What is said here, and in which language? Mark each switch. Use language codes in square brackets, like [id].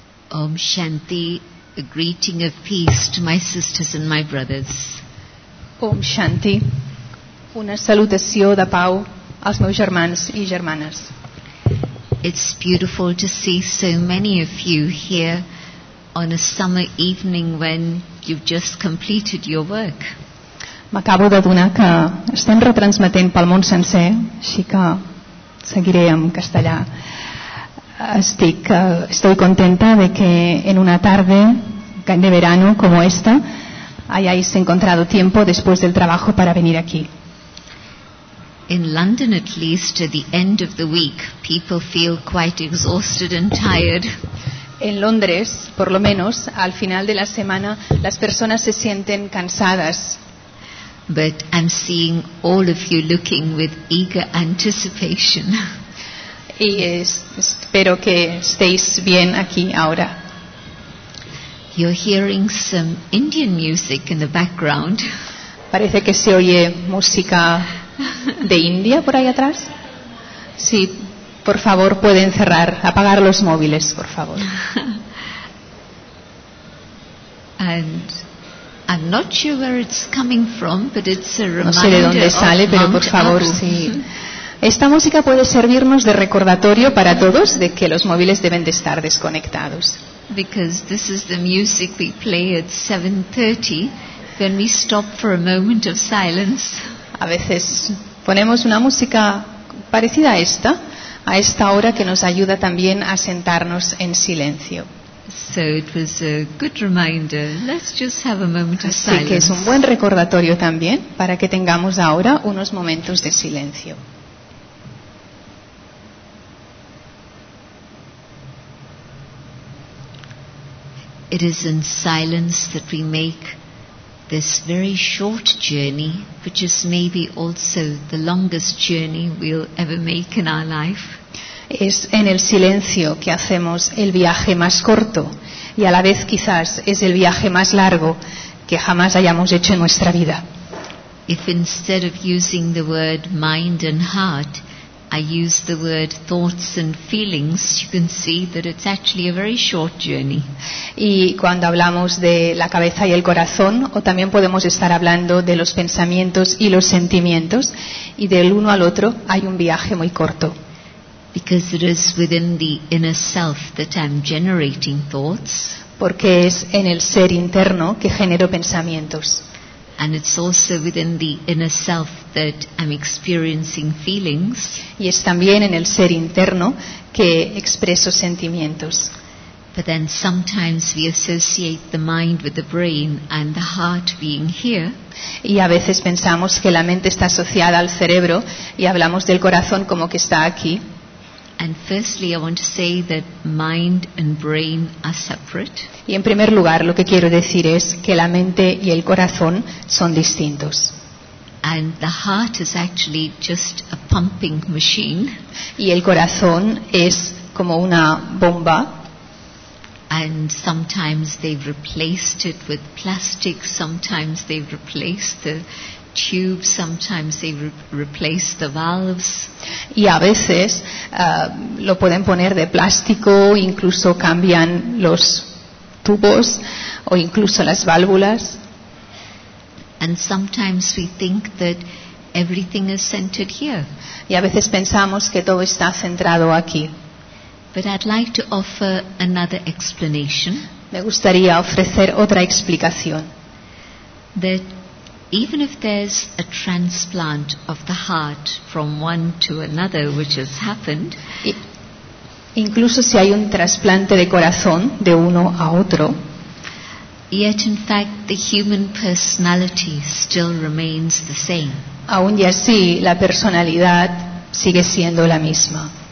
[en] Om Shanti, a greeting of peace to my sisters and my brothers. [ca] Om Shanti, una salutació de pau als meus germans i germanes. [en] It's beautiful to see so many of you here on a summer evening when you've just completed your work. [ca] M'acabo d'adonar que estem retransmetent pel món sencer, així que seguiré en castellà. [es] Estoy contenta de que en una tarde de verano como esta hayáis encontrado tiempo después del trabajo para venir aquí. [en] In London at least at the end of the week people feel quite exhausted and tired. [es] En Londres, por lo menos al final de la semana, las personas se sienten cansadas. [en] But I'm seeing all of you looking with eager anticipation. [es] Y espero que estéis bien aquí ahora. [en] You're hearing some Indian music in the background. [es] Parece que se oye música de India por ahí atrás. Sí, por favor, pueden cerrar, apagar los móviles, por favor. [en] And I'm not sure where it's coming from, but it's a reminder. [es] No sé de dónde sale, pero por favor, sí. Esta música puede servirnos de recordatorio para todos de que los móviles deben de estar desconectados. [en] Because this is the music we play at 7:30 when we stop for a moment of silence. [es] A veces ponemos una música parecida a esta hora que nos ayuda también a sentarnos en silencio. [en] So it was a good reminder. Let's just have a moment of silence. [es] Así que es un buen recordatorio también para que tengamos ahora unos momentos de silencio. [en] It is in silence that we make this very short journey, which is maybe also the longest journey we'll ever make in our life. [es] Es en el silencio que hacemos el viaje más corto y a la vez quizás es el viaje más largo que jamás hayamos hecho en nuestra vida. [en] If instead of using the word mind and heart, I use the word thoughts and feelings, you can see that it's actually a very short journey. [es] Y cuando hablamos de la cabeza y el corazón, o también podemos estar hablando de los pensamientos y los sentimientos, y del uno al otro hay un viaje muy corto. [en] Because it is within the inner self that I'm generating thoughts. [es] Porque es en el ser interno que genero pensamientos. [en] And it's also within the inner self that I'm experiencing feelings. [es] Y es también en el ser interno que expreso sentimientos. [en] But then sometimes we associate the mind with the brain and the heart being here. [es] Y a veces pensamos que la mente está asociada al cerebro y hablamos del corazón como que está aquí. [en] And firstly, I want to say that mind and brain are separate. [es] Y en primer lugar, lo que quiero decir es que la mente y el corazón son distintos. [en] And the heart is actually just a pumping machine. [es] Y el corazón es como una bomba. [en] And sometimes they've replaced it with plastic, sometimes they've replaced the tubes, sometimes they replace the valves. [es] Y a veces lo pueden poner de plástico, incluso cambian los tubos o incluso las válvulas. [en] And sometimes we think that everything is centered here. [es] Y a veces pensamos que todo está centrado aquí. [en] But I'd like to offer another explanation. [es] Me gustaría ofrecer otra explicación. [en] That even if there's a transplant of the heart from one to another, which has happened, [es] incluso si hay un trasplante de corazón de uno a otro, [en] yet in fact the human personality still remains the same. [es] Aún y así, la personalidad sigue siendo la misma.